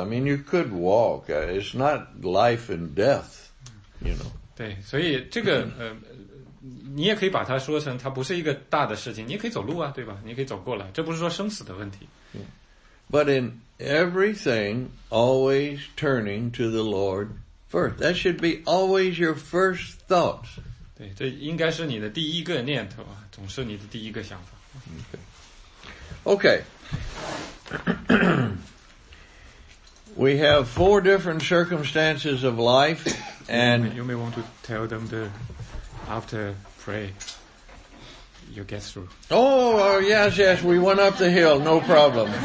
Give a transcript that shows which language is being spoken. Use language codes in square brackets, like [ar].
[en] I mean, you could walk. It's not life and death, you know. [zh] 对，所以这个你也可以把它说成它不是一个大的事情。你也可以走路啊，对吧？你可以走过来，这不是说生死的问题。 [en] But in everything, always turning to the Lord first. That should be always your first thoughts. [zh] 对这应该是你的第一个念头啊总是你的第一个想法。 [en] Okay. We have four different circumstances of life and... You may want to tell them the after pray you get through. Oh, yes, we went up the hill, no problem.